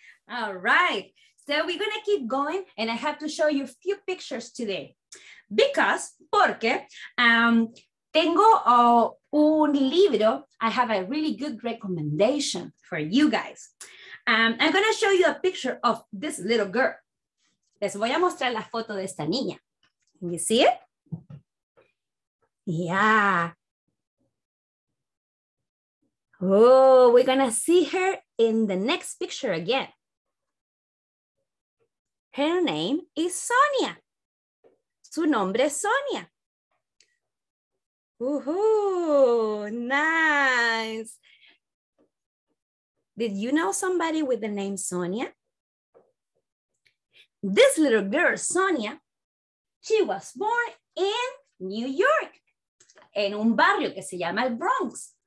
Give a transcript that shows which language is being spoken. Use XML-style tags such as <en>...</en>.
<en>All right. So we're going to keep going. And I have to show you a few pictures today. Because,</en> <es>porque, tengo un libro.</es> <en>I have a really good recommendation for you guys. I'm going to show you a picture of this little girl.</en> <es>Les voy a mostrar la foto de esta niña.</es> <en>Can you see it? Yeah. Oh, we're gonna see her in the next picture again. Her name is Sonia.</en> <es>Su nombre es Sonia.</es> <en>Woohoo, nice. Did you know somebody with the name Sonia? This little girl, Sonia, she was born in New York.</en> <es>En un barrio que se llama el Bronx.</es>